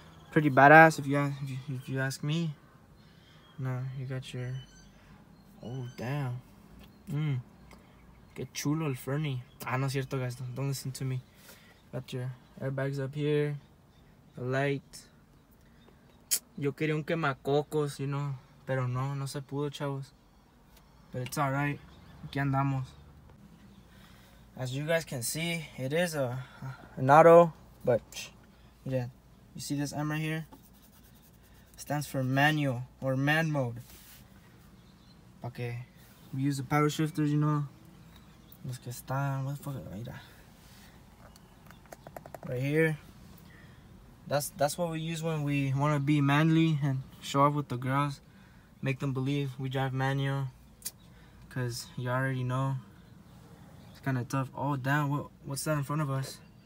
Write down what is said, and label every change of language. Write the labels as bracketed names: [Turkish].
[English] Pretty badass, if you ask me. No, you got your. Oh damn. [Spanish] Qué chulo el Fernie. Ah, no es cierto, guys. [English] Don't listen to me. Got your airbags up here, the light. [Spanish] Yo quería un quemacocos, [English] you know, [Spanish] pero no se pudo, chavos. [English] But it's all right, [Spanish] aquí andamos. [English] As you guys can see, it is an auto, but yeah, you see this M right here? Stands for manual or man mode. Okay, we use the power shifters, you know. [Spanish] Los que están, [English] what the fuck, [Spanish] mira. [English] Right here, that's what we use when we want to be manly and show off with the girls, make them believe we drive manual, because you already know it's kind of tough. Oh damn, what's that in front of us?